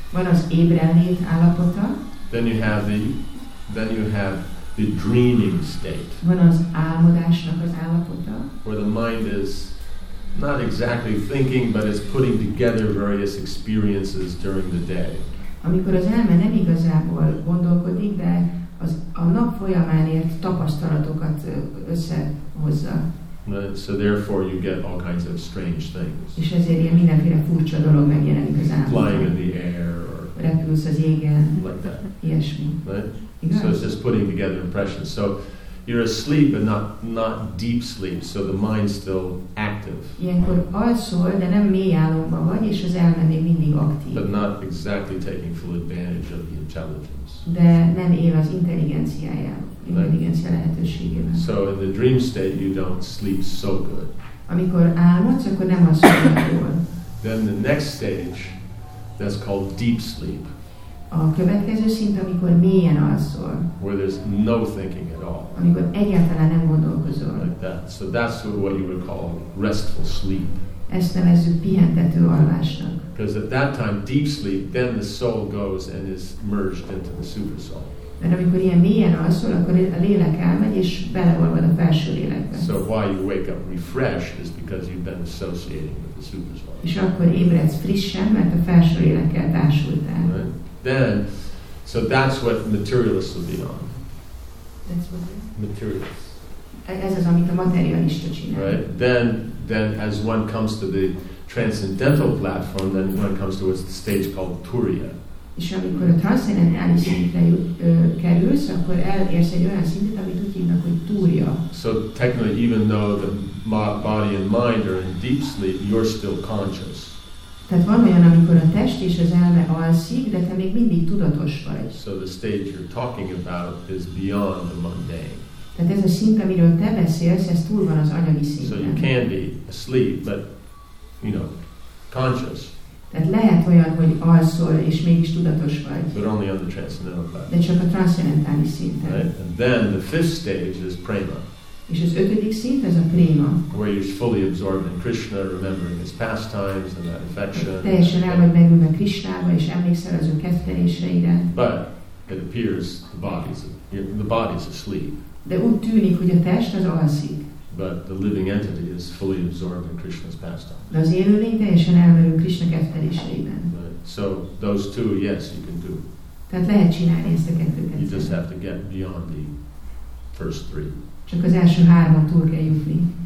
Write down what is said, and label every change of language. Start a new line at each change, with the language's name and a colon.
Hungarian: Van az ébrenlét állapota.
English: Then you have the dreaming state.
Hungarian: Van az álmodásnak az állapota.
English: Where the mind is not exactly thinking, but it's putting together various experiences during the day.
Hungarian: Amikor az elme nem igazából gondolkodik, de az a nap folyamán ért tapasztalatokat összehozza.
English: So therefore you get all kinds of strange things.
Hungarian: És ezért ilyen mindenféle furcsa dolog megjelenik az álmodban.
English: Flying in the air or
Hungarian: repülsz az égen.
English: Like that.
Hungarian: Ilyesmi.
English: Right? So it's just putting together impressions. So you're asleep and not deep sleep, so the mind's still active.
Hungarian: Ilyenkor alszol, de nem mély álomban vagy, és az elme még mindig aktív.
English: But not exactly taking full advantage of the intelligence.
Hungarian: De nem él az intelligencia lehetőségében.
English: So in the dream state you don't sleep so good.
Hungarian: Amikor álmodsz, akkor nem alszol jól.
English: Then the next stage, that's called deep sleep.
Hungarian: A következő szint, amikor mélyen alszol.
English: Where there's no thinking at all.
Hungarian: Amikor egyáltalán nem gondolkozol.
English: Like that. So that's what you would call restful sleep.
Hungarian: Ezt nevezzük pihentető alvásnak.
English: Because at that time, deep sleep, then the soul goes and is merged into the super soul.
Hungarian: Mert amikor ilyen mélyen alszol, akkor a lélek elmegy és beleolvad a felső lélekbe.
English: So why you wake up refreshed is because you've been associating with the super soul.
Hungarian: És akkor ébredsz frissen, mert a felső lélekkel társultál.
English: Right. Then, so that's what materialists would be on. That's what materialists.
Hungarian: Ez az, amit a materialista csinál.
English: Right. Then, as one comes to the transcendental platform, then one comes to a stage called Turiya.
Hungarian: És amikor a transzcendentális szintre kerülsz, akkor elérsz egy olyan szintet, amit úgy hívnak, hogy Turiya.
English: So technically, even though the body and mind are in deep sleep, you're still conscious.
Hungarian: Tehát van olyan, amikor a test és az elme alszik, de te még mindig tudatos vagy.
English: So the stage you're talking about is beyond the mundane.
Hungarian: Tehát ez a szint, amiről te beszélsz, ez túl van az anyagi szinten.
English: So you can be asleep, but, you know, conscious.
Hungarian: Tehát lehet olyan, hogy alszol és mégis tudatos vagy.
English: But only on the transcendental level.
Hungarian: De csak a transzcendentális szinten.
English: Right? And then the fifth stage is prema.
Hungarian: És az ötödik szint, ez a prema.
English: Where you're fully absorbed in Krishna, remembering his pastimes and that affection.
Hungarian: Teljesen el vagy megülve Krishnába, és emlékszel az ő kedveléseire.
English: But it appears the body's asleep.
Hungarian: De úgy tűnik, hogy a test az alszik.
English: But the living entity is fully absorbed in Krishna's pastimes.
Hungarian: De az élő lény teljesen elmerül Krishna kedveléseiben.
English: So those two, yes, you can do.
Hungarian: Tehát lehet csinálni ezt a kettőket.
English: You just have to get beyond the first three.
Hungarian: Csak az első hármat túl kell jutni.